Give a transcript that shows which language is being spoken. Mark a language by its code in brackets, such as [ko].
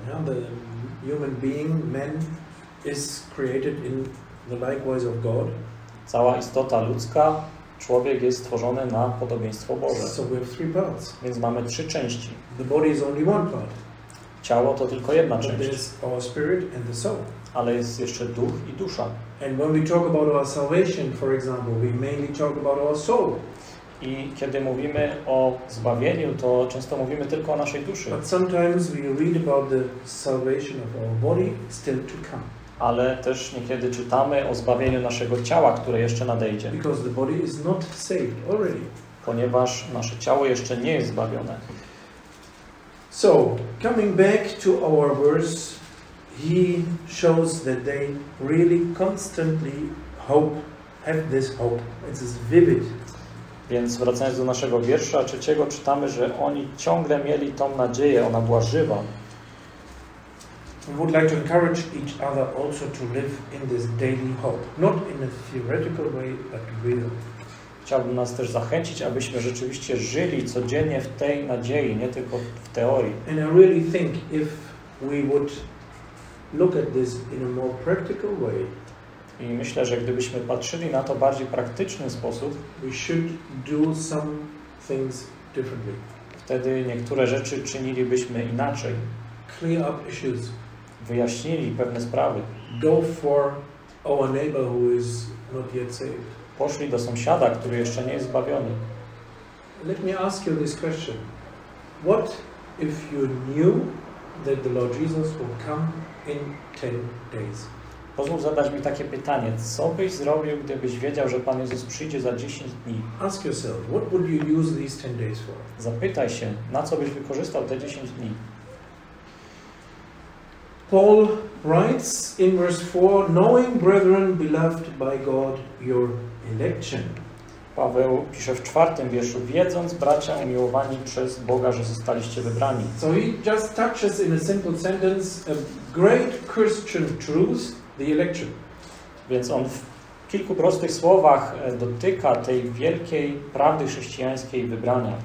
[en] Yeah, the human being, man, is created in the likewise of God. [pl] Cała istota ludzka. Człowiek jest stworzony na podobieństwo Boże. [en] So we have three parts. [pl] Więc mamy trzy części. [en] The body is only one part. [pl] Ciało to tylko jedna część. [en] But there's our spirit and the soul. [pl] Ale jest jeszcze duch i dusza. [en] And when we talk about our salvation, for example, we mainly talk about our soul. [pl] I kiedy mówimy o zbawieniu, to często mówimy tylko o naszej duszy. [en] But sometimes we read about the salvation of our body still to come. [pl] Ale też niekiedy czytamy o zbawieniu naszego ciała, które jeszcze nadejdzie. [en] Because the body is not saved already. [pl] Ponieważ nasze ciało jeszcze nie jest zbawione. [en] So, coming back to our verse, he shows that they really constantly hope, have this hope. It is vivid. [pl] Więc wracając do naszego wiersza trzeciego, czytamy, że oni ciągle mieli tą nadzieję, ona była żywa. [en] We would like to encourage each other also to live in this daily hope, not in a theoretical way, but real. [pl] Chciałbym nas też zachęcić, abyśmy rzeczywiście żyli codziennie w tej nadziei, nie tylko w teorii. [en] And I really think if we would look at this in a more practical way, [pl] i myślę, że gdybyśmy patrzyli na to bardziej praktyczny sposób, [en] we should do some things differently. [pl] Wtedy niektóre rzeczy czynilibyśmy inaczej. [en] Clear up issues. [pl] Wyjaśnili pewne sprawy. [en] Go for our neighbor who is not yet saved. [pl] Poszli do sąsiada, który jeszcze nie jest zbawiony. [en] Let me ask you this question. What if you knew that the Lord Jesus will come in 10 days? [pl] Pozwól zadać mi takie pytanie. Co byś zrobił, gdybyś wiedział, że Pan Jezus przyjdzie za 10 dni? [en] Ask yourself, what would you use these 10 days for? [pl] Zapytaj się, na co byś wykorzystał te 10 dni? [en] Paul writes in verse 4, knowing brethren beloved by God your election. [pl] Paweł pisze w czwartym wierszu, wiedząc bracia umiłowani przez Boga, że zostaliście wybrani. [en] So he just touches in a simple sentence a great Christian truth, the election. [pl] Więc on w kilku prostych słowach dotyka tej wielkiej prawdy chrześcijańskiej wybrania.